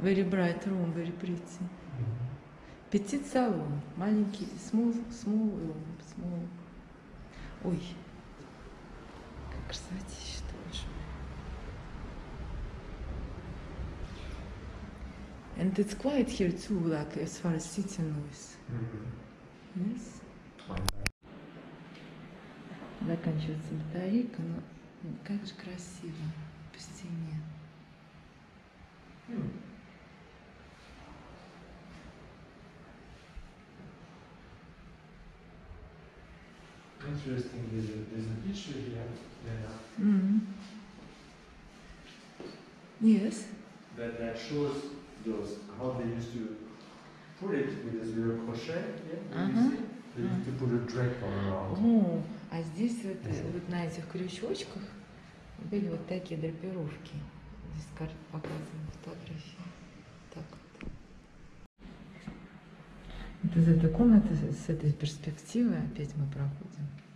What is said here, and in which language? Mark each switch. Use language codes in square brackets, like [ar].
[en] Very bright room, very pretty. [fr] Petit salon, [ru] маленький, [en] small room. [ru] Ой, как красотища, тоже. [en] And it's quiet here too, like as far as city noise. Yes? [ru] Заканчивается батарейка, но как же красиво по стене. [en] Interesting, there's a picture here. Yeah. Mm-hmm. Yes. That shows those how they used to put it with this little crochet. Yeah. Uh-huh. You see? They used to put a drape around. [ru] Oh, а здесь вот, вот на этих крючочках были вот такие драпировки. Здесь карта показана фотографии. Так вот. Вот из этой комнаты, с этой перспективы опять мы проходим.